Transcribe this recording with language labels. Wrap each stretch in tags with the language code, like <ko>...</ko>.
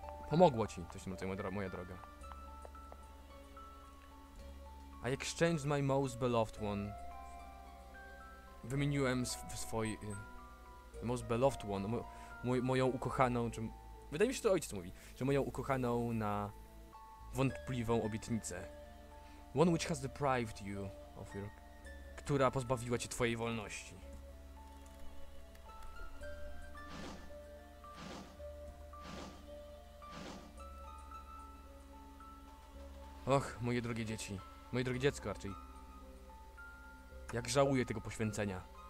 <pl>Pomogło ci, coś tam tutaj, moja droga.</pl> <en>I exchanged my most beloved one.</en> <pl>Wymieniłem swój...</pl> <en>most beloved one.</en> <pl>Moją ukochaną, czy... Wydaje mi się, że to ojciec mówi. Że moją ukochaną na... wątpliwą obietnicę.</pl> <en>One which has deprived you of your...</en> <pl>Która pozbawiła cię twojej wolności. Och, moje drogie dzieci. Moje drogie dziecko, raczej. Jak żałuję tego poświęcenia.</pl>